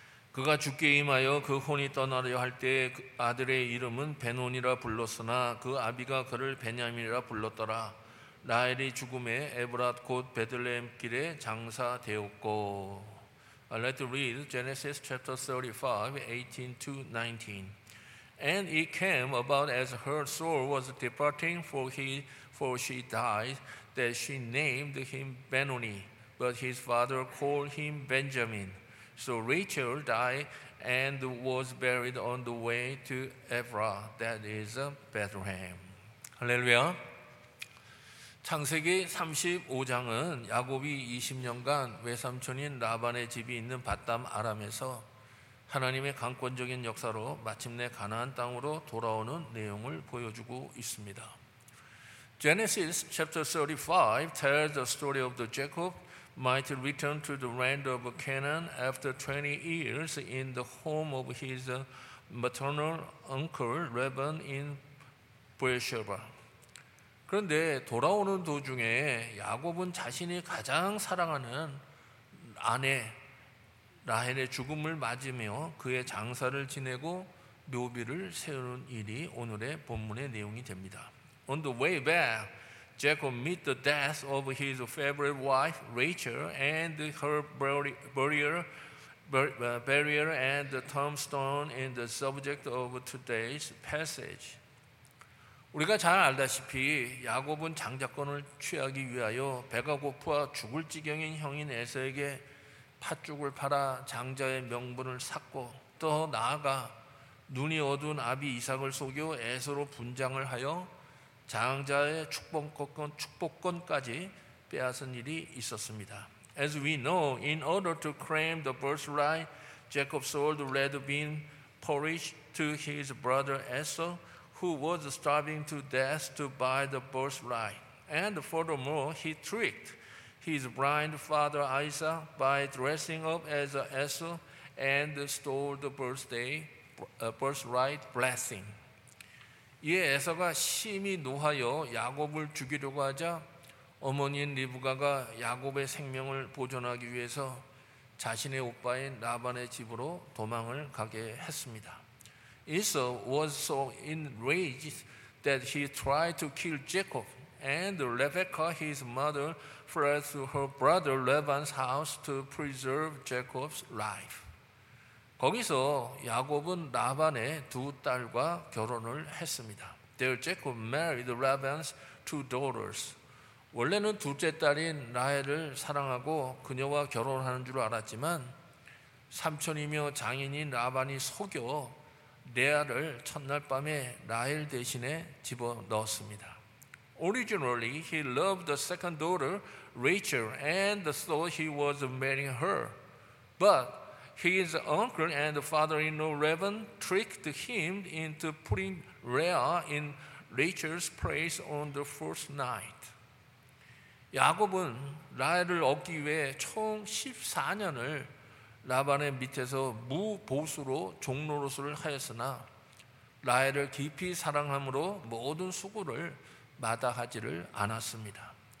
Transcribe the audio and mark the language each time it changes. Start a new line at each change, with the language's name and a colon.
Korean: 그가 주께 임하여 그 혼이 떠나려 할 때 그 아들의 이름은 베논이라 불렀으나 그 아비가 그를 베냐민이라 불렀더라. 라헬이 죽음에 에브랏 곧 베들레헴 길에 장사 되었고.
English: I'd like to read Genesis chapter 35:18-19. And it came about as her soul was departing, for she died, that she named him Benoni, but his father called him Benjamin. So Rachel died and was buried on the way to Ephrath, that is Bethlehem. Hallelujah.
Korean: 창세기 35장은 야곱이 20년간 외삼촌인 라반의 집이 있는 밧담 아람에서 하나님의 강권적인 역사로 마침내 가나안 땅으로 돌아오는 내용을 보여주고 있습니다.
English: Genesis chapter 35 tells the story of the Jacob might return to the land of Canaan after 20 years in the home of his maternal uncle Laban in Beersheba.
Korean: 그런데 돌아오는 도중에 야곱은 자신이 가장 사랑하는 아내 라헬의 죽음을 맞으며 그의 장사를 지내고 묘비를 세우는 일이 오늘의 본문의 내용이 됩니다.
English: On the way back, Jacob met the death of his favorite wife, Rachel, and her burial and the tombstone in the subject of today's passage.
Korean: 우리가 잘 알다시피 야곱은 장자권을 취하기 위하여 배가 고파 죽을 지경인 형인 에서에게 팥죽을 팔아 장자의 명분을 샀고 또 나아가 눈이 어두운 아비 이삭을 속여 에서로 분장을 하여 장자의 축복권까지 빼앗은 일이 있었습니다.
English: As we know, in order to claim the birthright, Jacob sold red bean porridge to his brother Esau, who was starving to death to buy the birthright. And furthermore, he tricked his blind father Isaac by dressing up as Esau and stole the birthright blessing.
Korean: 이에 에서가 심히 노하여 야곱을 죽이려고 하자 어머니인 리브가가 야곱의 생명을 보존하기 위해서 자신의 오빠인 라반의 집으로 도망을 가게 했습니다.
English: Esau was so enraged that he tried to kill Jacob, and Rebecca, his mother, fled to her brother Laban's house to preserve Jacob's life.
Korean: 거기서 야곱은 라반의 두 딸과 결혼을 했습니다.
English: There Jacob married Laban's two daughters.
Korean: 원래는 둘째 딸인 라헬을 사랑하고 그녀와 결혼하는 줄 알았지만 삼촌이며 장인인 라반이 속여 레아를 첫날 밤에 라헬 대신에 집어넣었습니다.
English: Originally, he loved the second daughter, Rachel, and thought he was marrying her. But his uncle and father-in-law, Laban, tricked him into putting Leah in Rachel's place on the first night.
Korean: 야곱은 라헬을 얻기 위해 총 14년을 라반의 밑에서 무보수로 종노릇을 하였으나 라헬을 깊이 사랑함으로 모든 수고를 마다하지를 않았습니다.